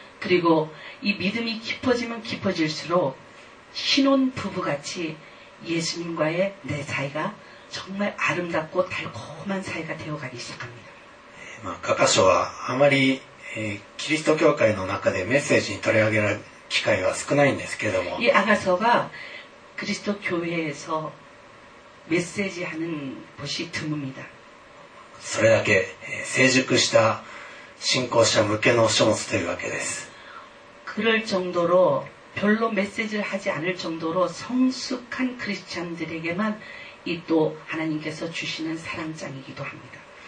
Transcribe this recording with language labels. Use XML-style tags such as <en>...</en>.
<ko>그리고이믿음이깊어지면깊어질수록신혼부부같이예수님과의내사이가정말아름답고달콤한사이가되어가기시작합니다</ko> <ja>가카쇼와아마리キリスト教会の中でメッセージに取り上げられる機会は少ないんですけども</ja> <ko>이아가서가그리스도교회에서메시지하는곳이드뭅니다</ko> <ja>それだけ成熟した信仰者向けの書物というわけです</ja> <ko>그럴정도로별로메시지를하지않을정도로성숙한크리스찬들에게만이또하나님께서주시는사랑장이기도합니다</ko>